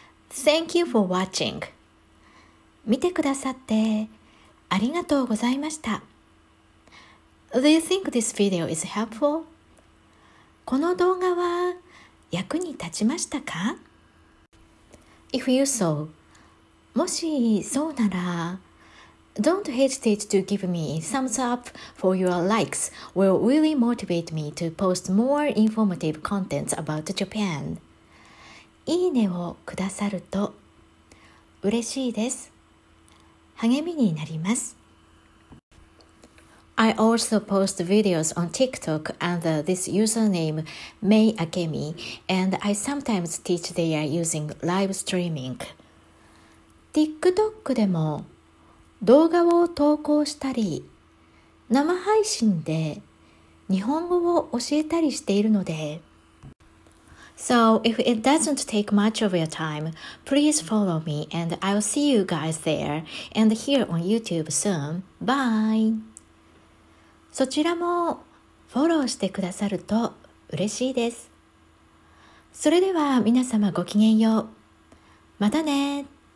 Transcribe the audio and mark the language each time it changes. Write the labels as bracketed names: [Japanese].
[English] Thank you for watching. [Japanese] 見てくださってありがとうございました。 [English] Do you think this video is helpful? [Japanese] この動画は役に立ちましたか? [English] If you so, [Japanese] もしそうなら [English] Don't hesitate to give me thumbs up for your likes will really motivate me to post more informative contents about Japan. [Japanese] いいねをくださると嬉しいです。励みになります。 [English] I also post videos on TikTok under this username Mei Akemi, and I sometimes teach there using live streaming. [Japanese] TikTok でも動画を投稿したり、生配信で日本語を教えたりしているので。 [English] So if it doesn't take much of your time, please follow me and I'll see you guys there and here on YouTube soon. Bye! [Japanese] そちらもフォローしてくださると嬉しいです。それでは皆様ごきげんよう。またねー。